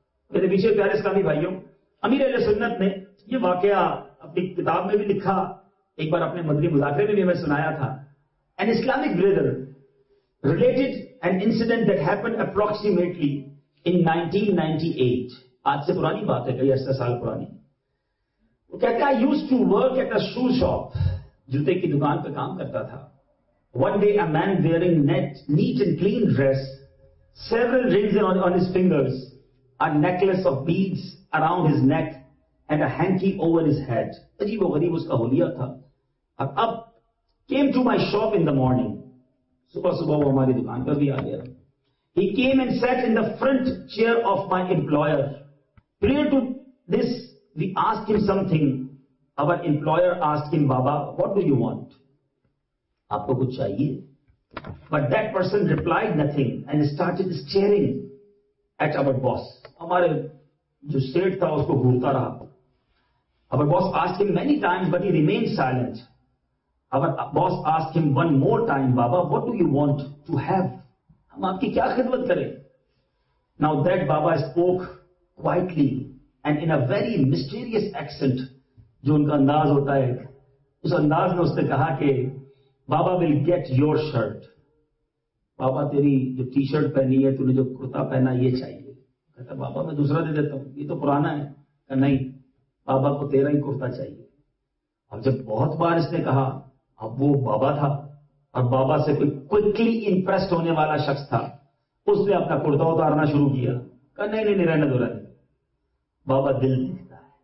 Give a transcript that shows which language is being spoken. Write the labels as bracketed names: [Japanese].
[Urdu] میرے پیچھے پیارے اسلامی بھائیوں، امیر علیہ سنت نے یہ واقعہ اپنی کتاب میں بھی لکھا، ایک بار اپنے مدنی مذاکرے میں بھی ہمیں سنایا تھا۔ [English] An Islamic brother related an incident that happened approximately in 1998. [Urdu] آج سے پرانی بات ہے، کئی 80 سال پرانی۔ وہ کہتا ہے [English] I used to work at a shoe shop, [Urdu] جوتے کی دکان پہ کام کرتا تھا۔ [English] One day a man wearing neat and clean dress, several rings on his fingers, a necklace of beads around his neck and a hanky over his head. [Urdu] عجیب و غریب اس کا حلیہ تھا۔ اب [English] came to my shop in the morning. [Urdu] صبح صبح وہ ہماری دکان پر بھی آ گیا۔ [English] He came and sat in the front chair of my employer. Prior to this, we asked him something. Our employer asked him, Baba, what do you want? [Urdu] آپ کو کچھ چاہیے؟ [English] But that person replied nothing and started staring at our boss. [Urdu] ہمارے جو set تھا اس کو گھورتا رہا۔ [English] Our boss asked him many times, but he remained silent. Our boss asked him one more time, Baba, what do you want to have? ہم آپ کی کیا خدمت کریں؟ Now that Baba spoke quietly and in a very mysterious accent, جو ان کا انداز ہوتا ہے، اس انداز نے اس نے کہا کہ Baba will get your shirt, [Urdu] بابا تیری جو ٹی شرٹ پہنی ہے، تو نے جو کرتا پہنا یہ چاہیے۔ کہتا بابا میں دوسرا دے دیتا ہوں، یہ تو پرانا ہے۔ کہ نہیں، بابا کو تیرا ہی کرتا چاہیے۔ اب جب بہت بار اس نے کہا، اب وہ بابا تھا اور بابا سے کوئی کوئکلی امپریسڈ ہونے والا شخص تھا، اس نے اپنا کرتا اتارنا شروع کیا۔ کہ نہیں نہیں رہنے دو، رہنے، بابا دل دیکھتا ہے،